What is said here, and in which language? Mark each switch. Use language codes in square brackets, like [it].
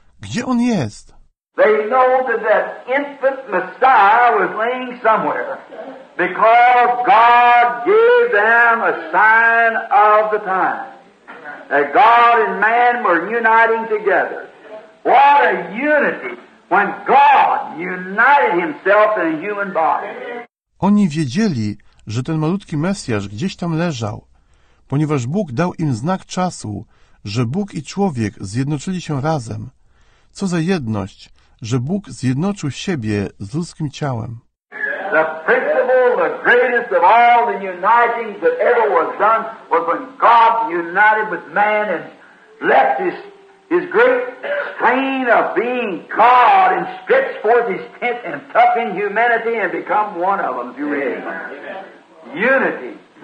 [pl] Gdzie on jest? [en] They know that that infant Messiah was laying somewhere because God gave them a sign of the time. That God and man were uniting together. What a unity when God united himself in a human body. [pl] Oni wiedzieli, że ten malutki Mesjasz gdzieś tam leżał, ponieważ Bóg dał im znak czasu, że Bóg i człowiek zjednoczyli się razem. Co za jedność, że Bóg zjednoczył siebie z ludzkim ciałem. [en] The principle, the greatest of all the uniting that ever was done was when God united with man and left his great strain of being God and stretched forth his tent and tucked in humanity and become one of them. Unity. Unity.